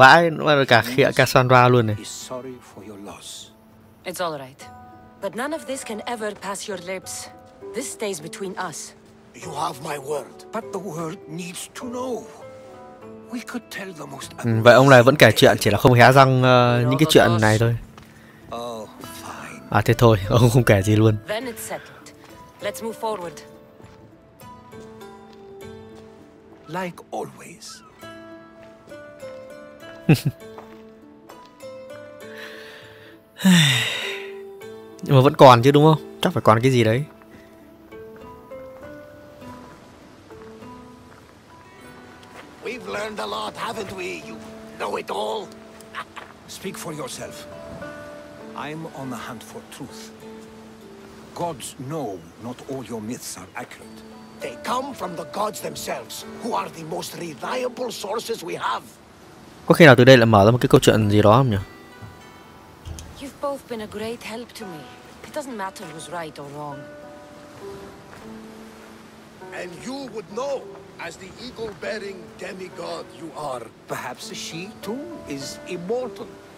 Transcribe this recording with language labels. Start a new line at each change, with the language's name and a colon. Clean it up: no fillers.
Vietnamese: Đéo vãi, nó là cả khịa Cassandra luôn này.
English: Sorry for your loss. It's all right. But none of this can ever pass your lips. This stays between us. You have my word. But the world needs to know. We could tell the most.
Vietnamese: Vậy ông này vẫn kể chuyện, chỉ là không hé răng những cái chuyện này thôi.
English: Oh, fine.
Vietnamese: À thế thôi, ông không kể gì luôn.
English: Then it's settled. Let's move forward. like always.
Vietnamese: Nhưng mà vẫn còn chứ đúng không? Chắc phải còn cái gì đấy.
English: We've learned a lot, haven't we? You know it all. Speak for yourself. I'm on the hunt for truth. Gods know not all your myths are accurate. They come from the gods themselves, who are the most reliable sources we have.
Vietnamese: Có khi nào từ đây lại mở ra một cái câu chuyện gì đó không nhỉ?
English: You've both been a great help to me. It doesn't matter who's right or wrong. And you would know, as the eagle-bearing demigod you are. Perhaps she, too, is immortal.